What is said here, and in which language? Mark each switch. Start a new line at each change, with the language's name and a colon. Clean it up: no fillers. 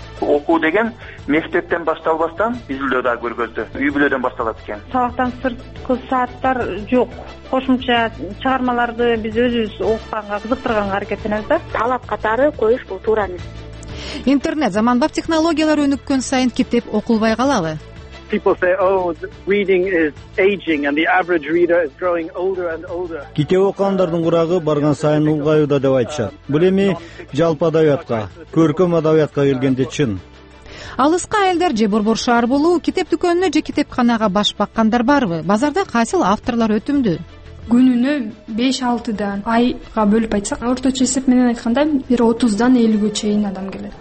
Kyrgyz: Окуу деген мектептен башталбастан үйлөрдө да көргөздү. Үй бүлөдөн башталат экен. Сабактан сырткы сааттар жок. Кошумча чыгармаларды биз өзүбүз окуганга, кызыктырганга аракеттенебиз да. Талап катары коюш бул туура эмес. Интернет заманбап технологиялар өнүккөн сайын китеп окулбай калабы?
English: People say, oh, reading is aging and the average reader is growing older and older.
Kyrgyz: Китеп окугандардын курагы барган сайын улгайууда деп айтышат. Бул эми жалпы адабиятка, көркөм адабиятка келгенде чын. Алыска айылдар же борбор шаар болуу, китеп дүкөнүнө же китепканага баш баккандар барбы? Базарда кайсыл авторлор өтүмдүү? Күнүнө 5-6 айга бөлүп айтсак, орточо эсеп менен айтканда бир 30-50 чейин адам келет.